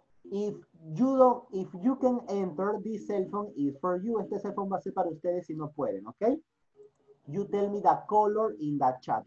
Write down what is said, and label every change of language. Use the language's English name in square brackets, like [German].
[English] If you can enter, this cell phone is for you. [Spanish] Este cell phone va a ser para ustedes si no pueden, ¿ok? [English] You tell me the color in the chat.